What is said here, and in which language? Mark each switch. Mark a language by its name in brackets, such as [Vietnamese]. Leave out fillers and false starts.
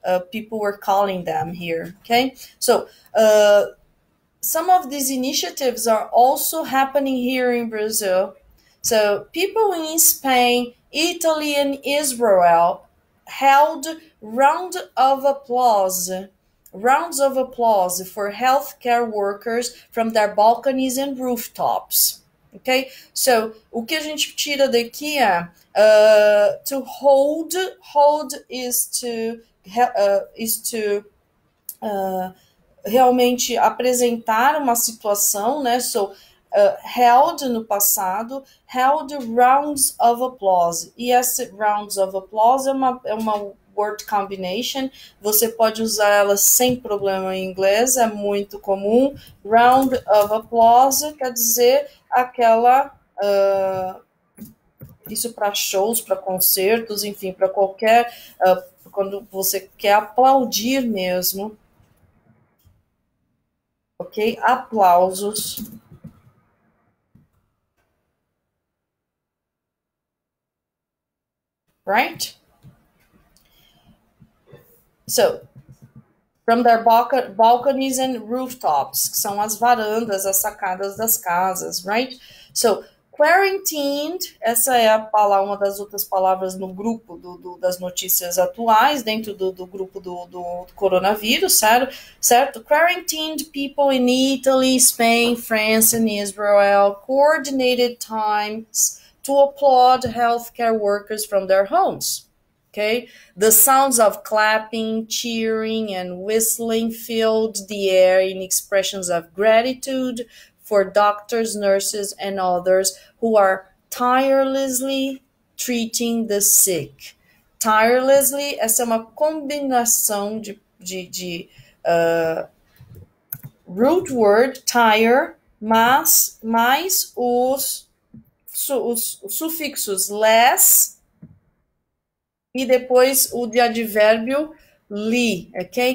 [English] people were calling them here. Okay, so some of these initiatives are also happening here in Brazil. So people in Spain, Italy, and Israel held rounds of applause for healthcare workers from their balconies and rooftops. Okay, so [Portuguese] o que a gente tira daqui é [English] to hold is to [Portuguese] realmente apresentar uma situação, né? [English] So, held [Portuguese] no passado, [English] held rounds of applause. [Portuguese] E esse rounds of applause é uma word combination. Você pode usar ela sem problema em inglês, é muito comum. Round of applause quer dizer aquela. Isso para shows, para concertos, enfim, para qualquer. Quando você quer aplaudir mesmo. Ok? Aplausos. [English] Right? So, from their balconies and rooftops, [Portuguese] que são as varandas, as sacadas das casas, right? So, quarantined, essa é uma das outras palavras no grupo das notícias atuais, dentro do grupo do coronavírus, certo? [English] Quarantined people in Italy, Spain, France, and Israel, coordinated times to applaud healthcare workers from their homes. Okay? The sounds of clapping, cheering, and whistling filled the air in expressions of gratitude for doctors, nurses, and others who are tirelessly treating the sick. [Portuguese] Tirelessly, essa é uma combinação de root word, tire, mais os. Os sufixos less e depois o de advérbio li, okay?